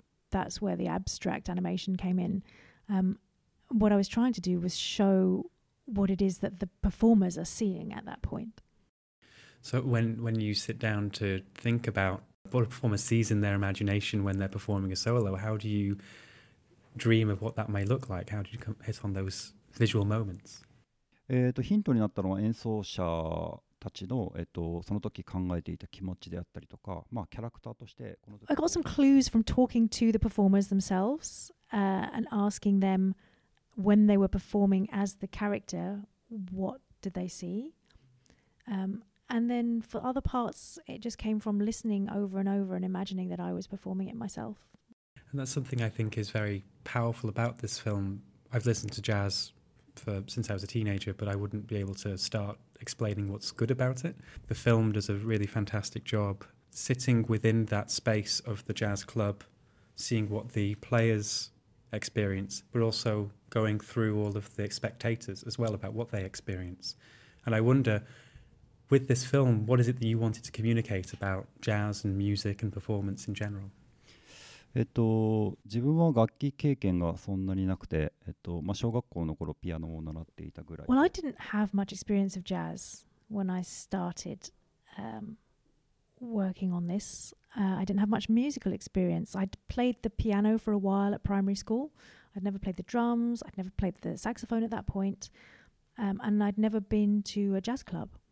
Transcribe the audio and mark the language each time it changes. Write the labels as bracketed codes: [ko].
[en] That's where the abstract animation came in. What I was trying to do was show what it is that the performers are seeing at that point. So when you sit down to think aboutWhat a performer sees in their imagination when they're performing a solo, how do you dream of what that may look like? How do you hit on those visual moments? [ja] ヒントになったのは演奏者たちの、その時考えていた気持ちであったりとか、まあ、キャラクターとしてこの時 [en] I got some clues from talking to the performers themselves, and asking them when they were performing as the character, what did they see? And then for other parts, it just came from listening over and over and imagining that I was performing it myself. And that's something I think is very powerful about this film. I've listened to jazz since I was a teenager, but I wouldn't be able to start explaining what's good about it. The film does a really fantastic job sitting within that space of the jazz club, seeing what the players experience, but also going through all of the spectators as well about what they experience. And I wonder... With this film, what is it that you wanted to communicate about jazz and music and performance in general? [ja] 自分は楽器経験がそんなになくて、まあ、小学校の頃ピアノを習っていたぐらい。 [en] Well, I didn't have much experience of jazz when I started working on this. I didn't have much musical experience. I'd played the piano for a while at primary school. I'd never played the drums. I'd never played the saxophone at that point. And I'd never been to a jazz club.